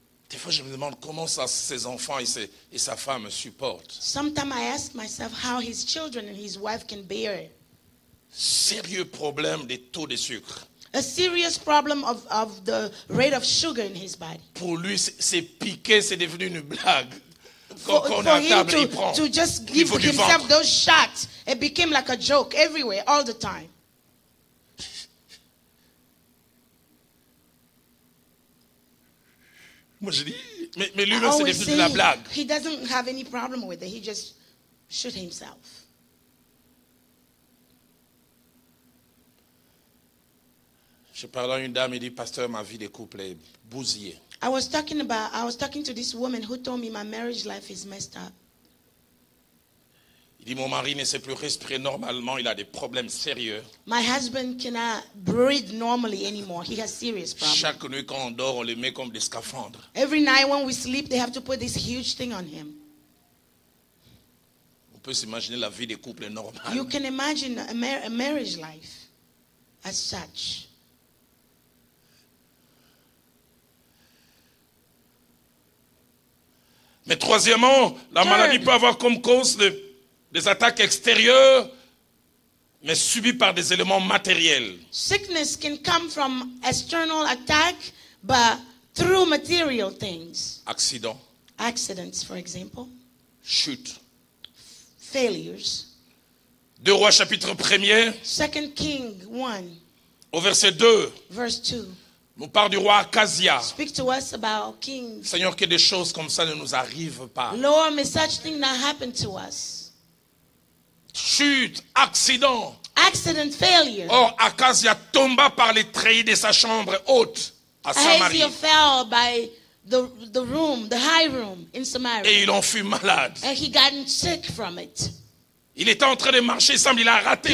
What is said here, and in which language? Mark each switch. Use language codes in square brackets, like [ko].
[fr] Des fois, je me demande comment ça, ses enfants et sa femme supportent. [en] Sometimes I ask myself how his children and his wife can bear. [fr] Sérieux problème des taux de sucre. [en] A serious problem of the rate of sugar in his body. [fr] Pour lui, c'est piqué, c'est devenu une blague. [en] To just give himself those shots, it became like a joke everywhere, all the time. [fr] Moi, je dis, mais lui-même, c'est devenu de la blague. [en] He doesn't have any problem with it. He just shoot himself. [fr] Je parlais à une dame, elle dit, pasteur, ma vie de couple est bousillée. [en] I was talking to this woman who told me my marriage life is messed up. [fr] Il dit, mon mari ne sait plus respirer normalement, il a des problèmes sérieux. [en] My husband cannot breathe normally anymore. He has serious problems. [fr] Chaque nuit quand on dort, on le met comme des scaphandres. [en] Every night when we sleep, they have to put this huge thing on him. [fr] On peut s'imaginer la vie des couples normales. [en] You can imagine a marriage life as such. [fr] Mais troisièmement, la maladie peut avoir comme cause des attaques extérieures, mais subies par des éléments matériels. [en] Sickness can come from external attack, but through material things. [fr] Accidents. [en] Accidents, for example. [fr] Chutes. [en] Failures. [fr] Deux Rois chapitre 1er. [en] Second King 1. [fr] Au verset 2. [en] Verse 2. [fr] Nous parle du roi Akazia. [en] Speak to us about King. [fr] Seigneur, que des choses comme ça ne nous arrivent pas. [en] Lord, may such thing not happen to us. [fr] Chute, accident. [en] Accident, failure. [fr] Or, Akazia tomba par les treillis de sa chambre haute à Samarie. [en] Akazia fell by the room, the high room in Samaria. [fr] Et il en fut malade. [en] And he got sick from it. [fr] Il était en train de marcher, semble, il a raté